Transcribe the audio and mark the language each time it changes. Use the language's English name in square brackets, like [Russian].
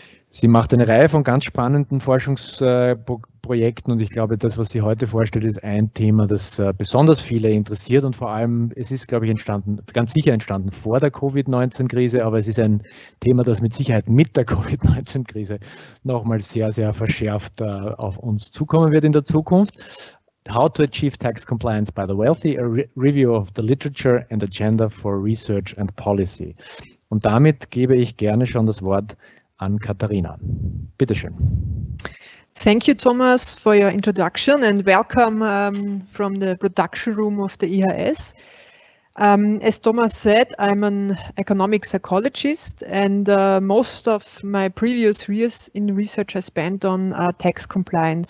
[German] Sie macht eine Reihe von ganz spannenden Forschungsprojekten und ich glaube, das, was sie heute vorstellt, ist ein Thema, das besonders viele interessiert und vor allem, es ist, glaube ich, entstanden, ganz sicher entstanden vor der Covid-19-Krise, aber es ist ein Thema, das mit Sicherheit mit der Covid-19-Krise nochmal sehr, sehr verschärft auf uns zukommen wird in der Zukunft. [English] How to Achieve Tax Compliance by the Wealthy, a Review of the Literature and Agenda for Research and Policy. [German] Und damit gebe ich gerne schon das Wort an Katharina. Bitteschön. [English] Thank you, Thomas, for your introduction and welcome from the production room of the IHS. As Thomas said, I'm an economic psychologist, and most of my previous years in research I spent on tax compliance.